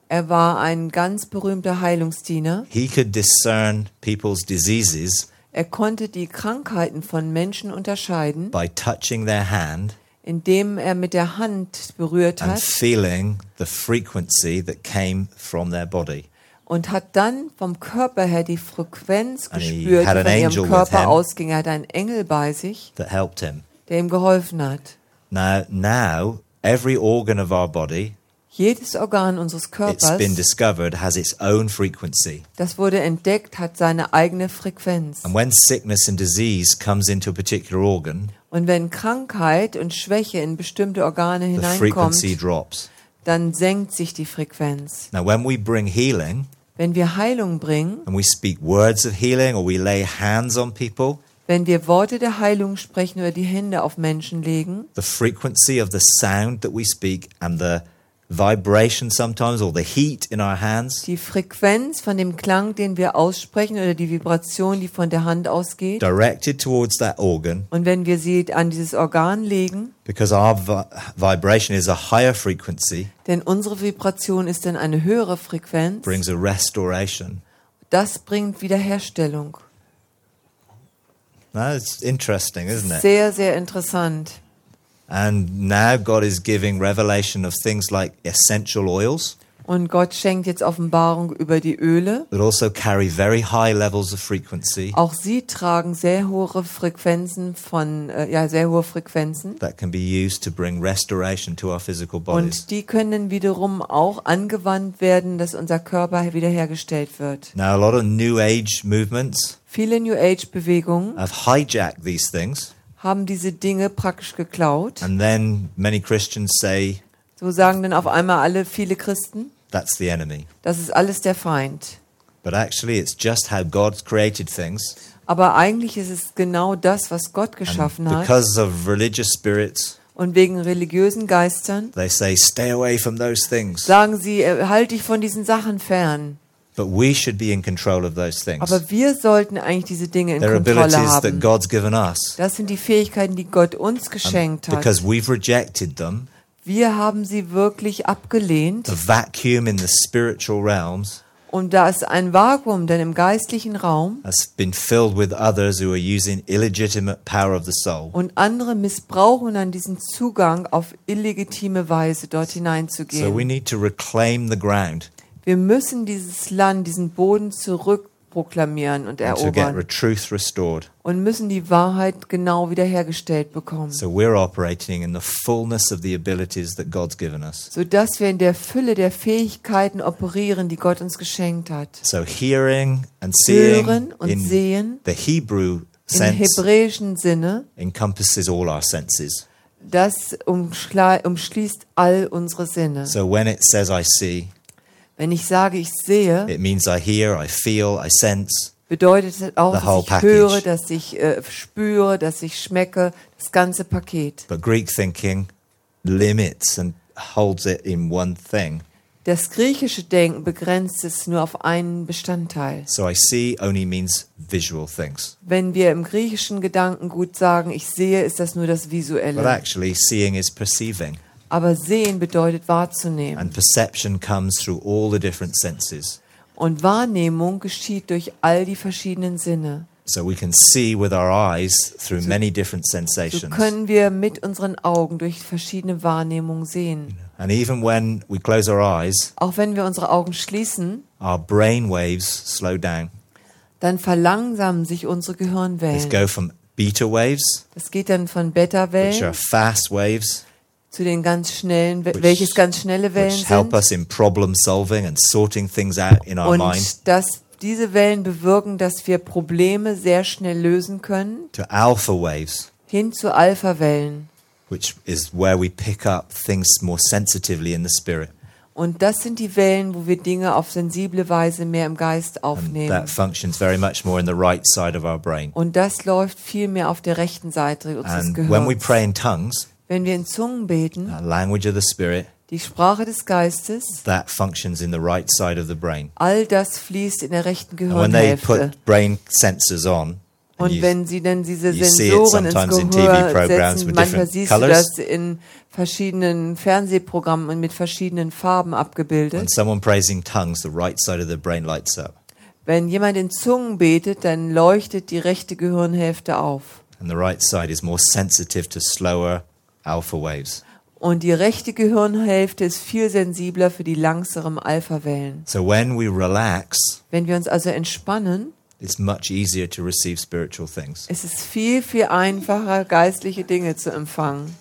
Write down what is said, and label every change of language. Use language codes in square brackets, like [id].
[de] Er war ein ganz berühmter Heilungsdiener. [en] He could discern people's diseases. [de] Er konnte die Krankheiten von Menschen unterscheiden. [en] By touching their hand. [de] Indem er mit der Hand berührt [en] and [de] hat. [en] And feeling the frequency that came from their body. [de] Und hat dann vom Körper her die Frequenz and gespürt, die von ihrem Körper ausging. Er hat einen Engel bei sich. [en] That helped him. [de] Der ihm geholfen hat. [en] Now every organ of our body, [de] jedes Organ unseres Körpers, [en] it's been discovered, has its own frequency. [de] Das wurde entdeckt, hat seine eigene Frequenz. [en] And when sickness and disease comes into a particular organ, [de] und wenn Krankheit und Schwäche in bestimmte Organe hineinkommt, [en] the frequency drops. [de] Dann senkt sich die Frequenz. [en] Now when we bring healing, [de] wenn wir Heilung bringen, [en] and we speak words of healing or we lay hands on people, [de] wenn wir Worte der Heilung sprechen oder die Hände auf Menschen legen, [en] the frequency of the sound that we speak and the vibration sometimes or the heat in our hands. [de] Die Frequenz von dem Klang, den wir aussprechen, oder die Vibration, die von der Hand ausgeht. [en] Directed towards that organ. [de] Und wenn wir sie an dieses Organ legen. [en] Because our vibration is a higher frequency. [de] Denn unsere Vibration ist dann eine höhere Frequenz. [en] Brings a restoration. [de] Das bringt Wiederherstellung. [en] That is interesting, isn't it? [de] Sehr, sehr interessant. [en] And now God is giving revelation of things like essential oils. [de] Und Gott schenkt jetzt Offenbarung über die Öle. [en] That also carry very high levels of frequency. [de] Auch sie tragen sehr hohe Frequenzen von sehr hohe Frequenzen. [en] That can be used to bring restoration to our physical bodies. [de] Und die können wiederum auch angewandt werden, dass unser Körper wiederhergestellt wird. [en] Now a lot of New Age movements. [de] Viele New Age Bewegungen [en] have hijacked these things. [de] Haben diese Dinge praktisch geklaut. [en] And then many Christians say, [de] so sagen dann auf einmal alle viele Christen, [en] that's the enemy. [de] Das ist alles der Feind. [en] But actually it's just how God's created things. [de] Aber eigentlich ist es genau das, was Gott geschaffen [en] and [de] hat. [en] Because of religious spirits, [de] und wegen religiösen Geistern, [en] they say, stay away from those things. [de] Sagen sie, halt dich von diesen Sachen fern. [en] But we should be in control of those things. [de] Aber wir sollten eigentlich diese Dinge in Kontrolle haben. [en] They're abilities that God's given us. [de] Das sind die Fähigkeiten, die Gott uns geschenkt hat. [en] Because we've rejected them. [de] Wir haben sie wirklich abgelehnt. [en] The vacuum in the spiritual realms. [de] Und da ist ein Vakuum, denn im geistlichen Raum [en] has been filled with others who are using illegitimate power of the soul. [de] Und andere missbrauchen dann diesen Zugang auf illegitime Weise dort hineinzugehen. [en] So we need to reclaim the ground. [de] Wir müssen dieses Land, diesen Boden zurückproklamieren und erobern. Und müssen die Wahrheit genau wiederhergestellt bekommen. [en] So we're operating in the fullness of the abilities that God's given us. [de] Sodass wir in der Fülle der Fähigkeiten operieren, die Gott uns geschenkt hat. [en] So hearing and seeing, [de] hören und in sehen, [en] the Hebrew sense, [de] im hebräischen Sinne, [en] encompasses all our senses. [de] Das umschließt all unsere Sinne. [en] So when it says I see, [de] wenn ich sage, ich sehe, [en] it means I hear, I feel, I sense, [de] bedeutet es auch, dass ich [en] package. [de] Höre, dass ich spüre, dass ich schmecke, das ganze Paket. [en] But Greek thinking limits and holds it in one thing. [de] Das griechische Denken begrenzt es nur auf einen Bestandteil. [en] So I see only means visual things. [de] Wenn wir im griechischen Gedanken gut sagen, ich sehe, ist das nur das Visuelle. [en] But actually, seeing is perceiving. [de] Aber sehen bedeutet wahrzunehmen. [en] And perception comes through all the different senses. [de] Und Wahrnehmung geschieht durch all die verschiedenen Sinne. [en] So we can see with our eyes through many different sensations. [de] So können wir mit unseren Augen durch verschiedene Wahrnehmungen sehen. [en] And even when we close our eyes, [de] auch wenn wir unsere Augen schließen, [en] our brain waves slow down. [de] Dann verlangsamen sich unsere Gehirnwellen. [en] Let's go from beta waves, [de] das geht dann von Beta-Wellen, [en] which are fast waves, [de] zu den ganz schnellen, welches ganz schnelle Wellen [en] which help [de] sind. [en] Us in problem solving and sorting things out in our [de] und [en] mind. [de] Dass diese Wellen bewirken, dass wir Probleme sehr schnell lösen können. [en] To alpha waves, [de] hin zu Alpha-Wellen. [en] Which is where we pick up things more sensitively in the spirit. [de] Und das sind die Wellen, wo wir Dinge auf sensible Weise mehr im Geist aufnehmen. [en] And that functions very much more in the right side of our brain. [de] Und das läuft viel mehr auf der rechten Seite unseres [en] and [de] Gehirns. [en] When we pray in tongues, [de] wenn wir in Zungen beten, [en] language of the spirit, [de] die Sprache des Geistes, [en] that functions in the right side of the brain. [de] All das fließt in der rechten Gehirnhälfte. [en] And when they put brain sensors on, [de] und wenn sie dann diese Sensoren ins Gehör setzen, manchmal siehst du das in verschiedenen Fernsehprogrammen und mit verschiedenen Farben abgebildet. [en] When someone prays in tongues, the right side of the brain lights up. [de] Wenn jemand in Zungen betet, dann leuchtet die rechte Gehirnhälfte auf. [en] And the right side is more sensitive to slower alpha waves. [de] Und die rechte Gehirnhälfte ist viel sensibler für die langsameren Alpha-Wellen. [en] So when we relax, [de] wenn wir uns also entspannen, [en] it's much easier to receive spiritual things. [de] Es ist viel viel einfacher geistliche Dinge zu empfangen.